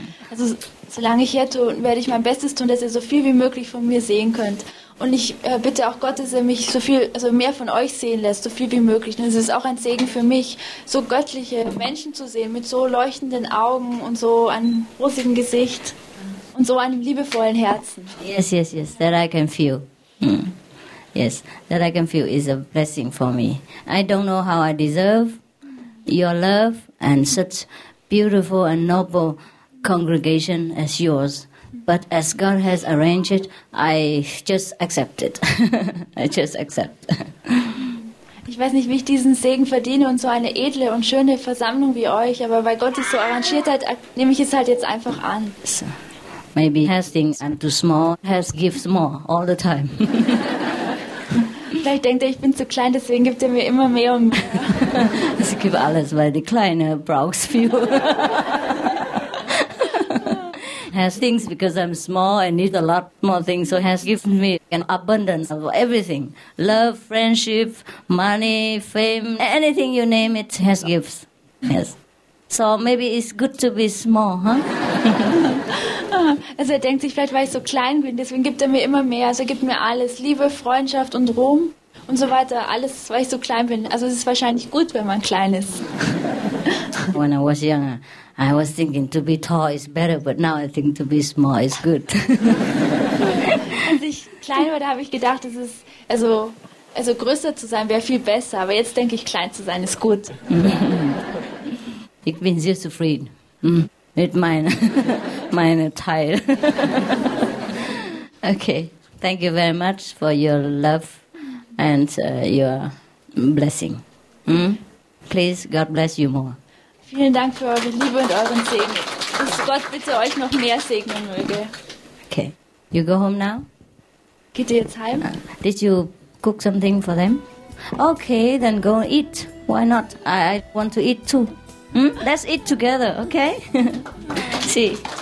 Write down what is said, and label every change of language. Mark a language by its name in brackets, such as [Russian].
[German] Also solange ich hier tue, werde ich mein Bestes tun, dass ihr so viel wie möglich von mir sehen könnt. Und ich bitte auch Gott, dass er mich so viel, also mehr von euch sehen lässt, so viel wie möglich. Und es ist auch ein Segen für mich, so göttliche Menschen zu sehen, mit so leuchtenden Augen und so einem rosigen Gesicht und so einem liebevollen Herzen. [English] Yes, yes, yes, that I can feel. Yes, that I can feel is a blessing for me. I don't know how I deserve your love and such beautiful and noble congregation as yours. But as God has arranged it, I just accept it. I just accept. [German] Ich weiß nicht, wie ich diesen Segen verdiene und so eine edle und schöne Versammlung wie euch, aber weil Gott es so arrangiert hat, nehme ich es halt jetzt einfach an. [English] So, maybe has things I'm too small, has gifts more all the time. [German] Vielleicht denkt er, ich bin zu klein, deswegen gibt er mir immer mehr und mehr. Sie gibt alles, weil die Kleine braucht viel. [English] Has things because I'm small and need a lot more things, so has given me an abundance of everything. Love, friendship, money, fame, anything you name it, has gifts. Yes. So maybe it's good to be small, huh? [German] Also er denkt sich, vielleicht weil ich so klein bin, deswegen gibt er mir immer mehr. Also er gibt mir alles, Liebe, Freundschaft und Ruhm und so weiter. Alles, weil ich so klein bin. Also es ist wahrscheinlich gut, wenn man klein ist. [English] When I was younger, I was thinking to be tall is better, but now I think to be small is good. [German] Als ich klein war, da habe ich gedacht, es ist also größer zu sein wäre viel besser. Aber jetzt denke ich, klein zu sein ist gut. Ich bin sehr zufrieden. Mit meine Teil. [English] Okay, thank you very much for your love and your blessing. Please, God bless you more. [German] Vielen Dank für eure Liebe und euren Segen. Dass Gott bitte euch noch mehr segnen möge. [English] Okay, you go home now? [German] Geht ihr jetzt heim? [English] Did you cook something for them? Okay, then go eat. Why not? I want to eat too. Let's eat together, okay? See.